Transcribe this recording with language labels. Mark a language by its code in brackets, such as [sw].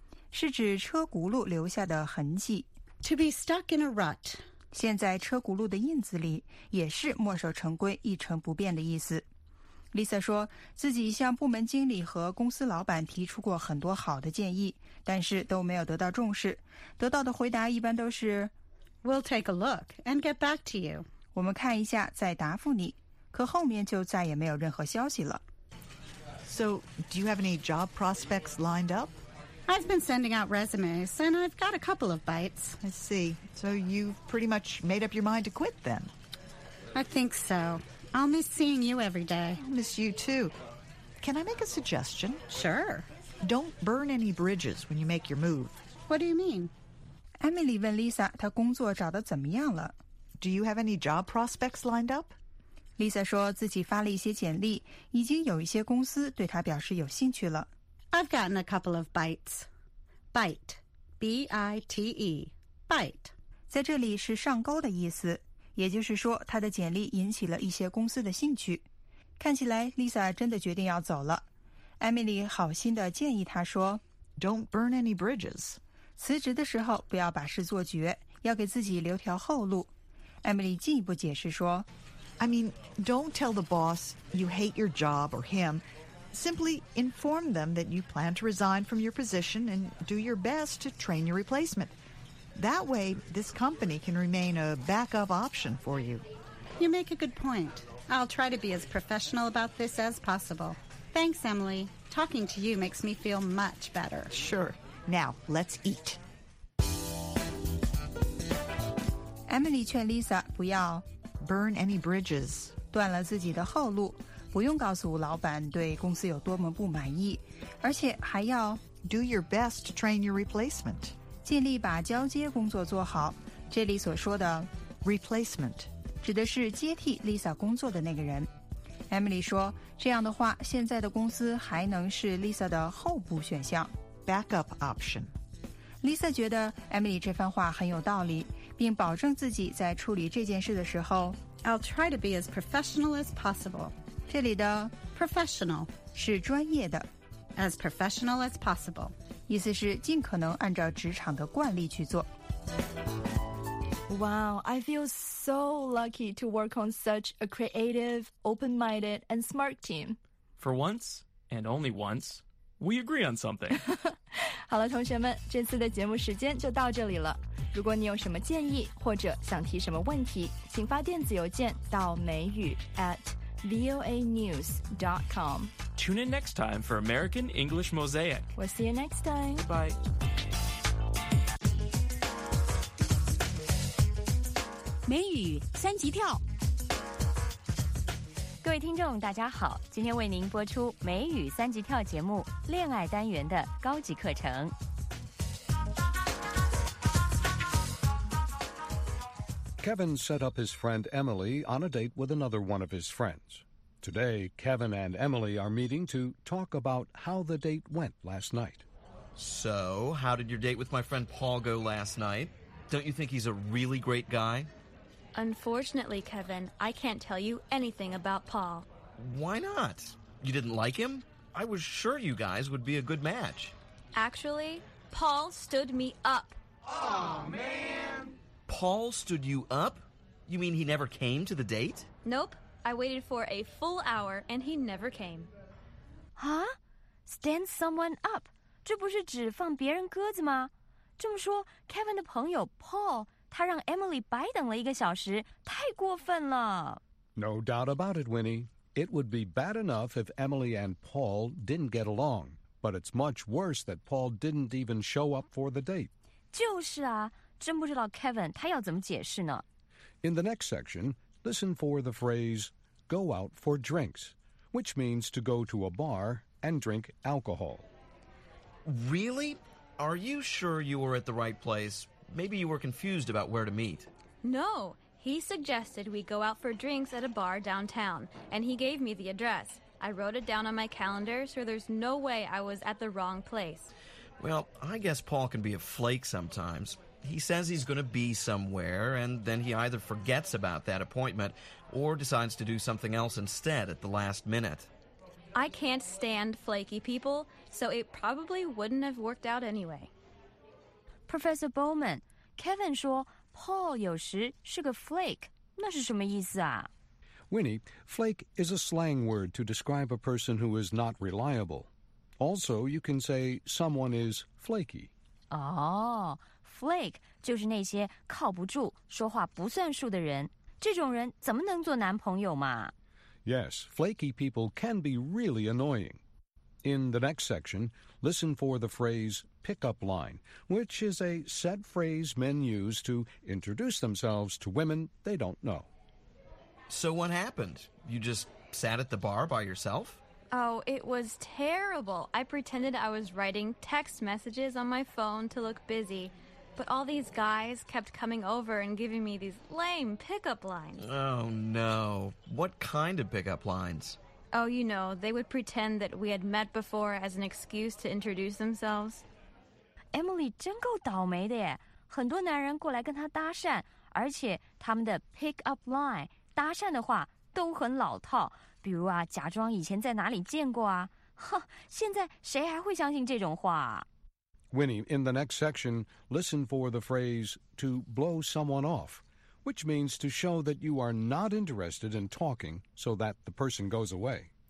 [zh] 是指车轱辘留下的痕迹。 [en] To be stuck in a rut. [zh] 现在车轱辘的印子里也是墨守成规一成不变的意思。 Lisa 说自己向部门经理和公司老板提出过很多好的建议，但是都没有得到重视。得到的回答一般都是 [en] We'll take a look and get back to you. [zh] 我们看一下再答复你。可后面就再也没有任何消息了。 [en] So, do you have any job prospects lined up? I've been sending out resumes, and I've got a couple of bites. I see. So you've pretty much made up your mind to quit, then? I think so. I'll miss seeing you every day. I'll miss you, too. Can I make a suggestion? Sure. Don't burn any bridges when you make your move. What do you mean? [zh] Emily 问 Lisa 她工作找得怎么样了。 [en] Do you have any job prospects lined up? [zh] Lisa 说自己发了一些简历，已经有一些公司对她表示有兴趣了。 [en] I've gotten a couple of bites. Bite. B-I-T-E. Bite. [zh] 在这里是上钩的意思，也就是说她的简历引起了一些公司的兴趣。看起来 Lisa 真的决定要走了。Emily 好心地建议她说 [en] Don't burn any bridges. [zh] 辞职的时候不要把事做绝，要给自己留条后路。 Emily 进一步解释说 [en] I mean, don't tell the boss you hate your job or him. Simply inform them that you plan to resign from your position and do your best to train your replacement. That way, this company can remain a backup option for you. You make a good point. I'll try to be as professional about this as possible. Thanks, Emily. Talking to you makes me feel much better. Sure. Now, let's eat. [zh] Emily 劝 Lisa 不要 [en] burn any bridges. [zh] 断了自己的后路。不用告诉老板对公司有多么不满意，而且还要 [en] do your best to train your replacement， [zh] 尽力把交接工作做好。这里所说的 [en] replacement [zh] 指的是接替 Lisa 工作的那个人。Emily 说，这样的话，现在的公司还能是 Lisa 的候补选项 [en] backup option。 [zh] Lisa 觉得 Emily 这番话很有道理，并保证自己在处理这件事的时候 [en] I'll try to be as professional as possible. [zh] 这里的 [en] professional [zh] 是专业的 [en] as professional as possible [zh] 意思是尽可能按照职场的惯例去做 [en] Wow, I feel so lucky to work on such a creative, open-minded, and smart team. For once, and only once, we agree on something. [zh] 好了，同学们，这次的节目时间就到这里了。如果你有什么建议或者想提什么问题，请发电子邮件到美语 at [en] voanews.com. Tune in next time for American English Mosaic. We'll see you next time. Bye. [zh] Language 三级跳。各位听众大家好，今天为您播出美语三级跳节目恋爱单元的高级课程。 [en] Kevin set up his friend Emily on a date with another one of his friends. Today, Kevin and Emily are meeting to talk about how the date went last night. So, how did your date with my friend Paul go last night? Don't you think he's a really great guy? Unfortunately, Kevin, I can't tell you anything about Paul. Why not? You didn't like him? I was sure you guys would be a good match. Actually, Paul stood me up. Aw, man! Paul stood you up? You mean he never came to the date? Nope. I waited for a full hour, and he never came. Huh? Stand someone up? [zh] 这不是指放别人鸽子吗？这么说 ,Kevin 的朋友 Paul... 他让 Emily 白等了一个小时，太过分了。 [en] No doubt about it, Winnie. It would be bad enough if Emily and Paul didn't get along. But it's much worse that Paul didn't even show up for the date. [zh] 就是啊，真不知道 Kevin 他要怎么解释呢。 [en] In the next section, listen for the phrase, go out for drinks, which means to go to a bar and drink alcohol. Really? Are you sure you were at the right place? Maybe you were confused about where to meet. No, he suggested we go out for drinks at a bar downtown, and he gave me the address. I wrote it down on my calendar, so there's no way I was at the wrong place. Well, I guess Paul can be a flake sometimes. He says he's going to be somewhere, and then he either forgets about that appointment or decides to do something else instead at the last minute. I can't stand flaky people, so it probably wouldn't have worked out anyway. [zh] Professor Bowman, Kevin 说 Paul 有时是个 flake, 那是什么意思啊? [en] Winnie, flake is a slang word to describe a person who is not reliable. Also, you can say someone is flaky. [zh] Oh, flake 就是那些靠不住、说话不算数的人。这种人怎么能做男朋友嘛? [en] Yes, flaky people can be really annoying. In the next section, listen for the phrase pickup line, which is a set phrase men use to introduce themselves to women they don't know. So what happened? You just sat at the bar by yourself? Oh, it was terrible. I pretended I was writing text messages on my phone to look busy, but all these guys kept coming over and giving me these lame pickup lines. Oh, no. What kind of pickup lines? Oh, you know, they would pretend that we had met before as an excuse to introduce themselves. [zh] Emily 真够倒霉的耶。很多男人过来跟她搭讪，而且他们的 pick-up line, 搭讪的话都很老套。比如啊，假装以前在哪里见过啊。哼，现在谁还会相信这种话啊？ [en] Winnie, in the next section, listen for the phrase to blow someone off. Which means to show that you are not interested in talking so that the person goes away.